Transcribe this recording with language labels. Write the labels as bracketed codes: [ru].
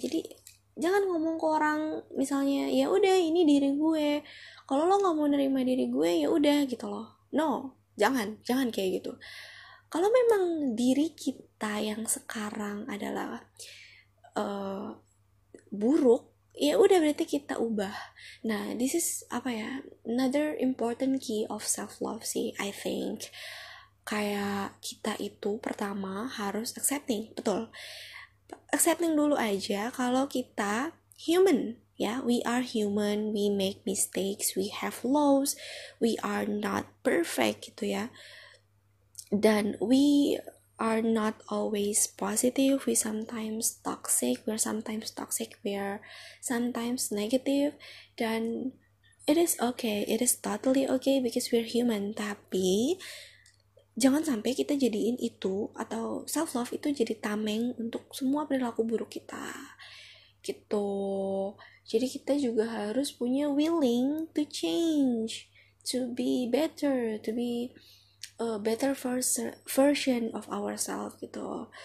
[id] Jadi jangan ngomong ke orang misalnya, ya udah ini diri gue, kalau lo nggak mau nerima diri gue ya udah gitu loh. No, jangan, jangan kayak gitu. Kalau memang diri kita yang sekarang adalah buruk, ya udah berarti kita ubah. [en] Nah this is [id] apa ya, [en] another important key of self love sih, I think. [id] Kayak kita itu pertama harus [en] accepting, betul, accepting [id] dulu aja kalau kita [en] human ya, we are human, we make mistakes, we have flaws, we are not perfect gitu ya, dan we are not always positive, we sometimes toxic, we're sometimes toxic, we're sometimes negative, dan it is okay, it is totally okay because we're human. [id] Tapi jangan sampai kita jadiin itu atau self love itu jadi tameng untuk semua perilaku buruk kita gitu. Jadi kita juga harus punya [en] willing to change, to be better, to be a better version of ourselves gitu.